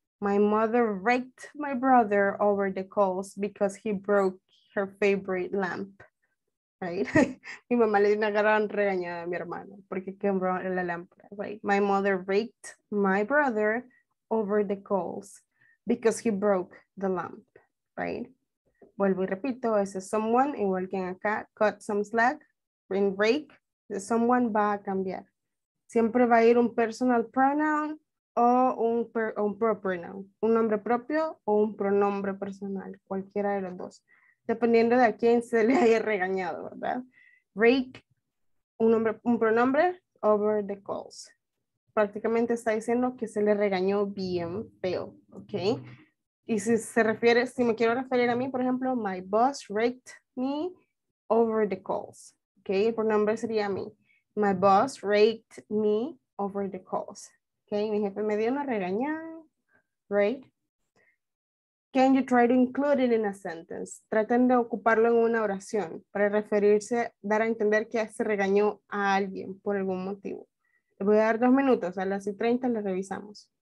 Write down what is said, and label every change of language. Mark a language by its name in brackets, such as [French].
[English] My mother raked my brother over the coals because he broke her favorite lamp. Right? [Spanish] Mi mamá le dio una gran regañada a mi hermano porque quebró la lámpara. [English] Right? My mother raked my brother over the coals because he broke the lamp. [Spanish] Right? Vuelvo y repito, ese es someone, igual que acá, [English] cut some slack, bring rake, the someone [Spanish] va a cambiar. Siempre va a ir un personal pronoun o un proper noun, un nombre propio o un pronombre personal, cualquiera de los dos, dependiendo de a quién se le haya regañado, ¿verdad? Rake, un nombre, un pronombre, [English] over the coals. [Spanish] Prácticamente está diciendo que se le regañó bien feo, ¿ok? Y si se refiere, si me quiero referir a mí, por ejemplo, [English] my boss raked me over the coals. [Spanish] Ok, el pronombre sería a mí. [English] My boss raked me over the coals. [Spanish] Ok, mi jefe me dio una regañada. Right? [English] Can you try to include it in a sentence? [Spanish] Traten de ocuparlo en una oración para referirse, dar a entender que se regañó a alguien por algún motivo. Le voy a dar 2 minutos, a las 6:30 le revisamos.